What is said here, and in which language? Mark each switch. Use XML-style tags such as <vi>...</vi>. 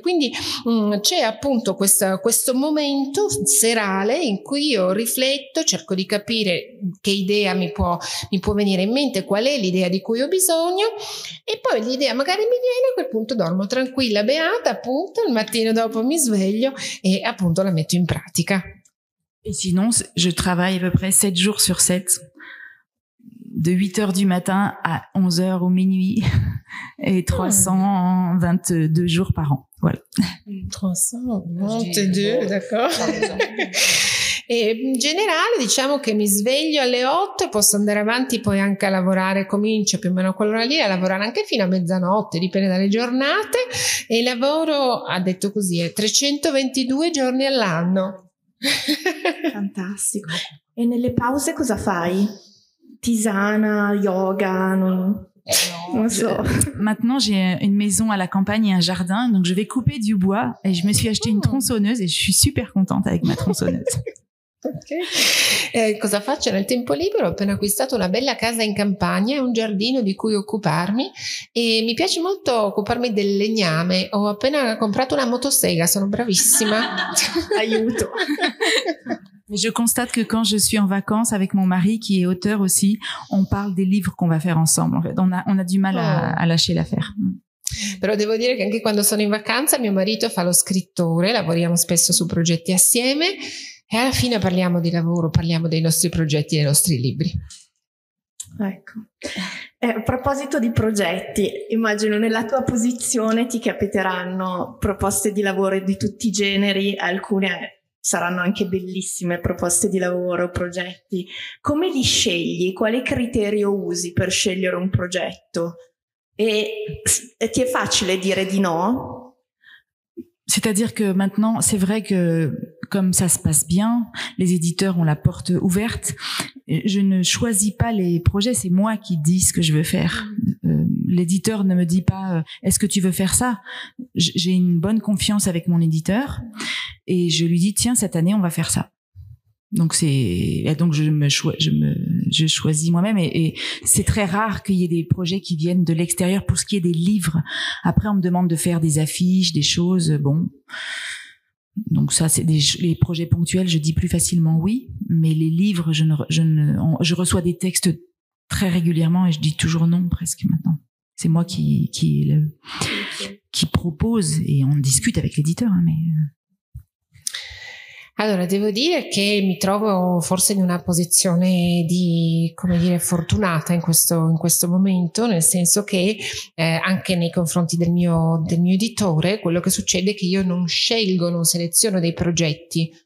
<it>Quindi c'è appunto questo momento serale in cui io rifletto, cerco di capire che idea mi può venire in mente, qual è l'idea di cui ho bisogno, e poi l'idea magari mi viene, a quel punto dormo tranquilla, beata, appunto il mattino dopo mi sveglio e appunto la metto in pratica.</it> <fr>E sinon je travaille à peu près 7 jours sur 7, de 8 heures du matin à 11 heures ou minuit, et 322 jours par an, voilà. 322, d'accord.</fr> <it>E in generale diciamo che mi sveglio alle 8 e posso andare avanti poi anche a lavorare, comincio più o meno a quell'ora lì a lavorare anche fino a mezzanotte, dipende dalle giornate, e lavoro, ha detto così, 322 giorni all'anno. Fantastico. E nelle pause cosa fai? Tisana, yoga,</it> <fr>Maintenant j'ai une maison à la campagne et un jardin, donc je vais couper du bois et je me suis acheté une tronçonneuse et je suis super contente avec ma tronçonneuse. Okay.</fr> <it>Cosa faccio nel tempo libero? Ho appena acquistato una bella casa in campagna e un giardino di cui occuparmi, e mi piace molto occuparmi del legname. Ho appena comprato una motosega, sono bravissima. Aiuto.</it> <fr>Je constate que quand je suis en vacances avec mon mari, qui est auteur aussi, on parle des livres qu'on va faire ensemble. En fait, on a du mal à lâcher l'affaire.</fr> <it>Però devo dire che anche quando sono in vacanza, mio marito fa lo scrittore, lavoriamo spesso su progetti assieme e alla fine parliamo di lavoro, parliamo dei nostri progetti, dei nostri libri. Ecco. A proposito di progetti, immagino nella tua posizione ti capiteranno proposte di lavoro di tutti i generi, alcune saranno anche bellissime proposte di lavoro, progetti. Come li scegli? Quale criterio usi per scegliere un progetto? Et ti è facile dire di no?</it> <fr>C'est-à-dire que maintenant, c'est vrai que comme ça se passe bien, les éditeurs ont la porte ouverte, je ne choisis pas les projets, c'est moi qui dis ce que je veux faire. L'éditeur ne me dit pas « est-ce que tu veux faire ça ?» J'ai une bonne confiance avec mon éditeur et je lui dis « tiens, cette année, on va faire ça ». Donc je choisis moi-même et c'est très rare qu'il y ait des projets qui viennent de l'extérieur pour ce qui est des livres. Après, on me demande de faire des affiches, des choses, bon. Donc ça, c'est les projets ponctuels, je dis plus facilement oui, mais les livres, je reçois des textes très régulièrement et je dis toujours non presque maintenant. C'est moi qui propose et on discute avec l'éditeur, hein, mais.</fr> <it>Allora, devo dire che mi trovo forse in una posizione di, come dire, fortunata in questo momento, nel senso che anche nei confronti del mio editore, quello che succede è che io non scelgo, non seleziono dei progetti.</it>